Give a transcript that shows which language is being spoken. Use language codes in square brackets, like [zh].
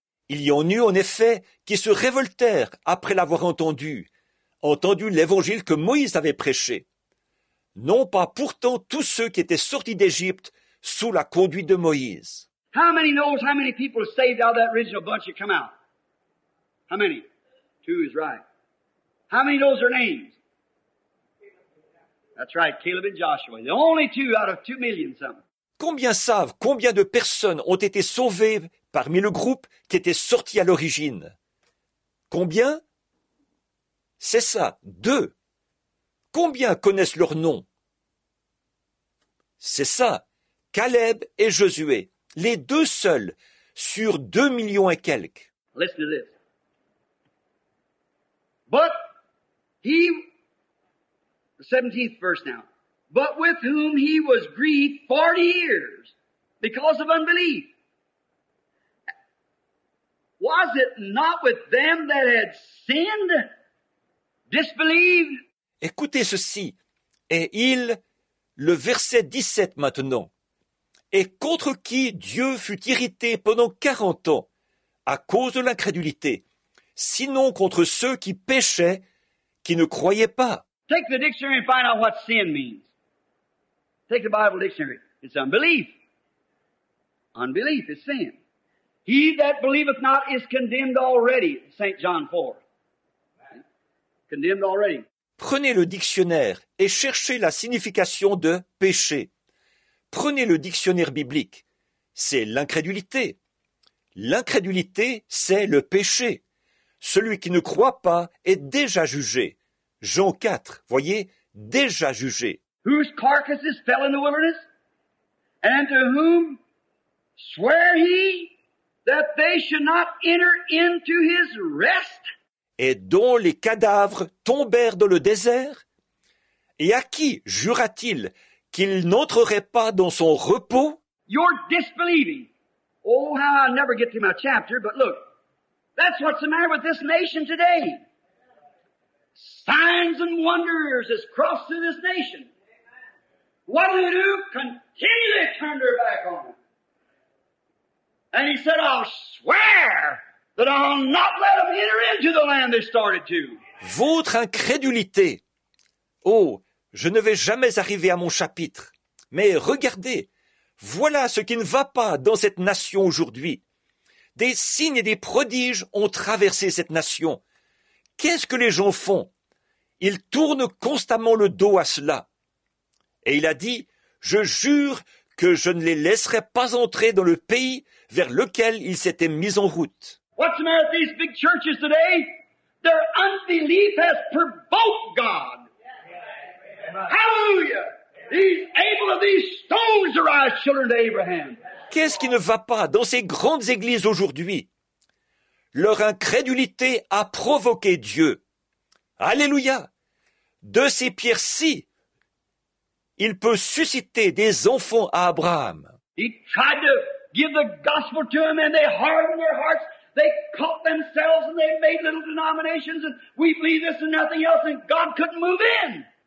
[fr] Il y en eut en effet qui se révoltèrent après l'avoir entendu l'évangile que Moïse avait prêché. Non pas pourtant tous ceux qui étaient sortis d'Égypte sous la conduite de Moïse. [en] How many knows how many people saved out of that original bunch that come out? How many? Two is right. How many knows their names? That's right, Caleb and Joshua. The only two out of 2 million something. [fr] Combien savent combien de personnes ont été sauvées parmi le groupe qui était sorti à l'origine? Combien? C'est ça, deux. Combien connaissent leur nom? C'est ça, Caleb et Josué, les deux seuls, sur 2 millions et quelques. [en] Listen to this. But he, 17th verse now. But with whom he was grieved 40 years because of unbelief. Was it not with them that had sinned, disbelieved? [fr] Écoutez ceci. Et il, le verset 17 maintenant. Et contre qui Dieu fut irrité pendant 40 ans à cause de l'incrédulité, sinon contre ceux qui péchaient, qui ne croyaient pas. [en] Take the dictionary and find out what sin means. Take the Bible dictionary. It's unbelief. Unbelief is sin. He that believeth not is condemned already, St. John 4. Condemned already. [fr] Prenez le dictionnaire et cherchez la signification de péché. Prenez le dictionnaire biblique. C'est l'incrédulité. L'incrédulité, c'est le péché. Celui qui ne croit pas est déjà jugé. Jean 4, voyez, déjà jugé. [en] Whose carcasses fell in the wilderness, and to whom swear he that they should not enter into his rest? [fr] Et dont les cadavres tombèrent dans le désert? Et à qui jura-t-il qu'il n'entrerait pas dans son repos? [en] You're disbelieving. Oh, how I never get through my chapter, but look, that's what's the matter with this nation today. Signs and wonders has crossed through this nation. What do they do? Continually turn their back on them. And he said, I'll swear that I'll not let them enter into the land they started to. [fr] Votre incrédulité. Oh, je ne vais jamais arriver à mon chapitre. Mais regardez, voilà ce qui ne va pas dans cette nation aujourd'hui. Des signes et des prodiges ont traversé cette nation. Qu'est-ce que les gens font? Ils tournent constamment le dos à cela. Et il a dit, « Je jure que je ne les laisserai pas entrer dans le pays vers lequel ils s'étaient mis en route. » [en] What's the matter with these big churches today? Their unbelief has provoked God. Hallelujah! These able of these stones arise, children of Abraham. [fr] Qu'est-ce qui ne va pas dans ces grandes églises aujourd'hui? Leur incrédulité a provoqué Dieu. Alléluia! De ces pierres-ci, il peut susciter des enfants à Abraham. [en] He tried to give the gospel to them and they hardened their hearts. They caught themselves and they made little denominations and we believe this and nothing else and God couldn't move in.